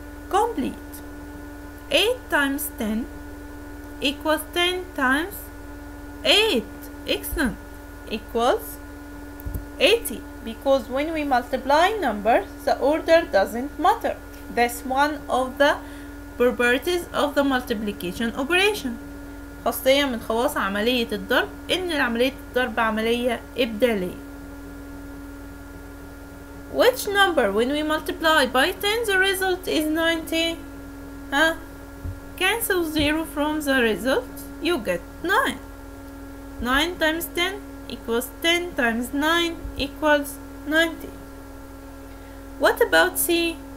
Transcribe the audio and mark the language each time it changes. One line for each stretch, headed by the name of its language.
English: Complete. 8 times 10 equals 10 times 8. Excellent. Equals 80. Because when we multiply numbers, the order doesn't matter. That's one of the properties of the multiplication operation.
Arabic: خاصية من خواص عملية الضرب ان عملية الضرب عملية ابدالية.
English: Which number when we multiply by 10 the result is 90? Cancel 0 from the result, you get 9. 9 times 10 equals 10 times 9 equals 90. What about C?